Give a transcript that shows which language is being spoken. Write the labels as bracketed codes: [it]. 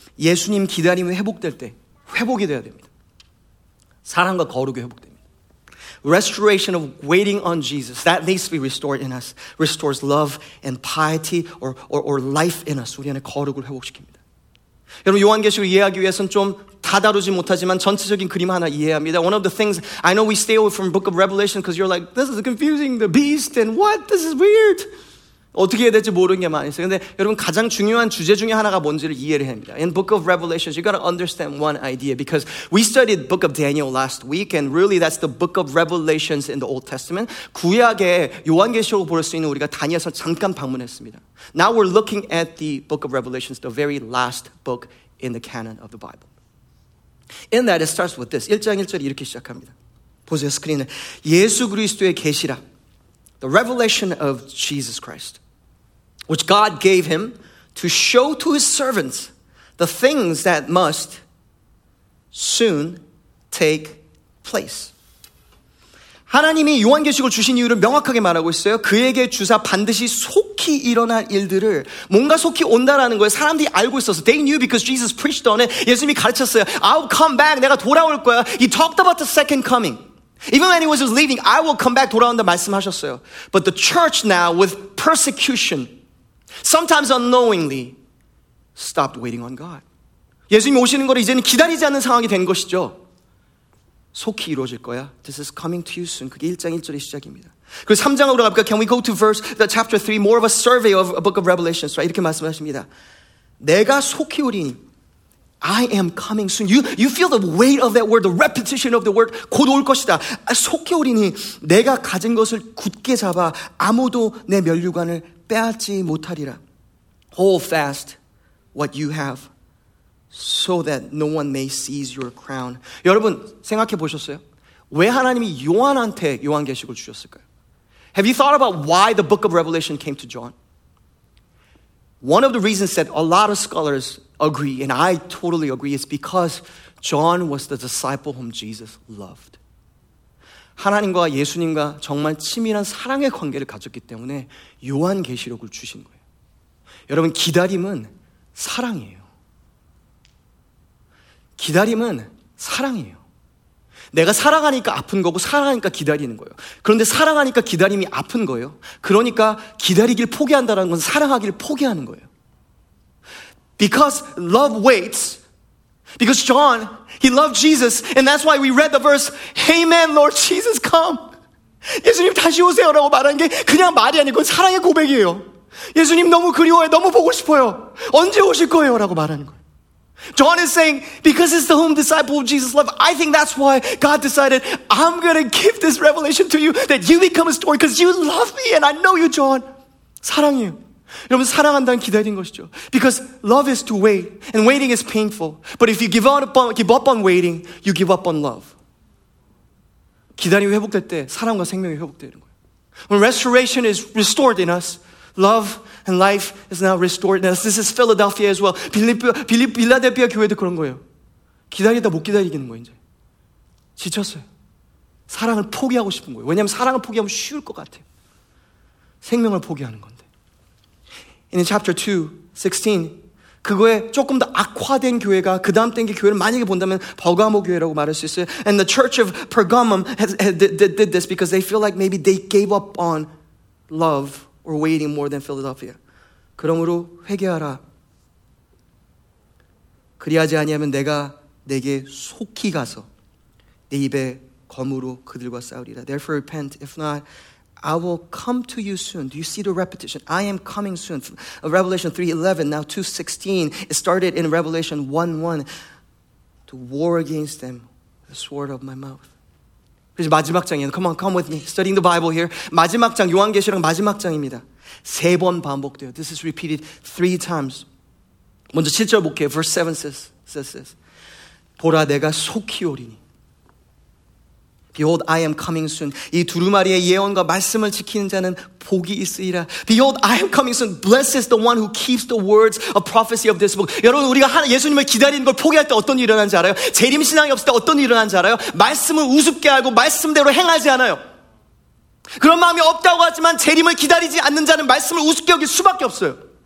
[ko] 예수님 기다림이 회복될 때 회복이 되어야 됩니다. 사랑과 거룩이 회복됩니다. [en] Restoration of waiting on Jesus that needs to be restored in us restores love and piety or life in us. [ko] 우리 안에 거룩을 회복시킵니다. 여러분 요한계시록을 이해하기 위해서는 좀 다 다루지 못하지만 전체적인 그림 하나 이해합니다. [en] One of the things, I know we stay away from the book of Revelation because you're like, this is confusing, the beast and what? This is weird. [ko] 어떻게 해야 될지 모르는 게 많이 있어요. 근데 여러분 가장 중요한 주제 중에 하나가 뭔지를 이해를 합니다. [en] In the book of Revelation, you got to understand one idea because we studied the book of Daniel last week and really that's the book of Revelations in the Old Testament. [ko] 구약의 요한계시록을 볼 수 있는 우리가 다니엘서 잠깐 방문했습니다. [en] Now we're looking at the book of Revelations, the very last book in the canon of the Bible. In that, it starts with this. [ko] 1장 1절이 이렇게 시작합니다. 보세요, 스크린에. 예수 그리스도의 계시라. [en] The revelation of Jesus Christ, which God gave him to show to his servants the things that must soon take place. [ko] 하나님이 요한계시록을 주신 이유를 명확하게 말하고 있어요. 그에게 주사 반드시 속히 일어날 일들을 뭔가 속히 온다라는 거예요. 사람들이 알고 있었어요. [en] They knew because Jesus preached on it. [ko] 예수님이 가르쳤어요. [en] I'll come back. [ko] 내가 돌아올 거야. [en] He talked about the second coming. Even when he was leaving, I will come back. [ko] 돌아온다 말씀하셨어요. [en] But the church now with persecution, sometimes unknowingly, stopped waiting on God. [ko] 예수님이 오시는 걸 이제는 기다리지 않는 상황이 된 것이죠. 속히 이루어질 거야. [en] This is coming to you soon. [ko] 그게 1장 1절의 시작입니다. 그리고 3장으로 가볼까? [en] Can we go to verse, the chapter 3, more of a survey of a book of Revelations, right? [ko] 이렇게 말씀하십니다. 내가 속히 오리니. [en] I am coming soon. You feel the weight of that word, the repetition of the word. [ko] 곧 올 것이다. 속히 오리니. 내가 가진 것을 굳게 잡아 아무도 내 면류관을 빼앗지 못하리라. [en] Hold fast what you have. So that no one may seize your crown. [ko] 여러분 생각해 보셨어요? 왜 하나님이 요한한테 요한계시록을 주셨을까요? [en] Have you thought about why the book of Revelation came to John? One of the reasons that a lot of scholars agree, and I totally agree, is because John was the disciple whom Jesus loved. [ko] 하나님과 예수님과 정말 친밀한 사랑의 관계를 가졌기 때문에 요한계시록을 주신 거예요. 여러분 기다림은 사랑이에요. 기다림은 사랑이에요. 내가 사랑하니까 아픈 거고 사랑하니까 기다리는 거예요. 그런데 사랑하니까 기다림이 아픈 거예요. 그러니까 기다리길 포기한다는 건 사랑하기를 포기하는 거예요. [en] Because love waits. Because John, he loved Jesus. And that's why we read the verse, Amen, Lord Jesus, come. [ko] 예수님 다시 오세요 라고 말하는 게 그냥 말이 아니고 그건 사랑의 고백이에요. 예수님 너무 그리워요. 너무 보고 싶어요. 언제 오실 거예요 라고 말하는 거예요. [en] John is saying, because it's the whom disciple of Jesus loved, I think that's why God decided, I'm going to give this revelation to you, that you become a story, because you love me, and I know you, John. [ko] 사랑해요. 여러분, 사랑한다는 기다린 것이죠. [en] Because love is to wait, and waiting is painful. But if you give up on waiting, you give up on love. [ko] 기다림이 회복될 때, 사랑과 생명이 회복되는 거예요. [en] When restoration is restored in us, love and life is now restored in us. This is Philadelphia as well. [ko] 빌라델피아 교회도 그런 거예요. 기다리다 못 기다리겠는 거예요, 이제. 지쳤어요. 사랑을 포기하고 싶은 거예요. 왜냐하면 사랑을 포기하면 쉬울 것 같아요. 생명을 포기하는 건데. [en] And in chapter 2, 16, [ko] 그거에 조금 더 악화된 교회가 그 다음 땡기 교회를 만약에 본다면 버가모 교회라고 말할 수 있어요. [en] And the church of Pergamum did this because they feel like maybe they gave up on love or waiting more than Philadelphia. [ko] 그러므로 회개하라. 그리하지 아니하면 내가 내게 속히 가서 내 입에 검으로 그들과 싸우리라. [en] Therefore repent, if not, I will come to you soon. Do you see the repetition? I am coming soon. Revelation 3:11, now 2:16. It started in Revelation 1:1. To war against them with the sword of my mouth. [ko] 그래서 마지막 장이에요. [en] Come on, come with me. Studying the Bible here. [ko] 마지막 장, 요한계시록 마지막 장입니다. 세 번 반복돼요. [en] This is repeated three times. [ko] 먼저 7절 볼게요. [en] Verse 7 says this. [ko] 보라, 내가 속히 오리니. [en] Behold, I am coming soon. [ko] 이 두루마리의 예언과 말씀을 지키는 자는 복이 있으리라. [en] Behold, I am coming soon. Blessed is the one who keeps the words of prophecy of this book. [ko] 여러분, 우리가 예수님을 기다리는 걸 포기할 때 어떤 일이 일어난지 알아요? 재림 신앙이 없을 때 어떤 일이 일어난지 알아요? 말씀을 우습게 알고 말씀대로 행하지 않아요. 그런 마음이 없다고 하지만 재림을 기다리지 않는 자는 말씀을 우습게 여길 수밖에 없어요.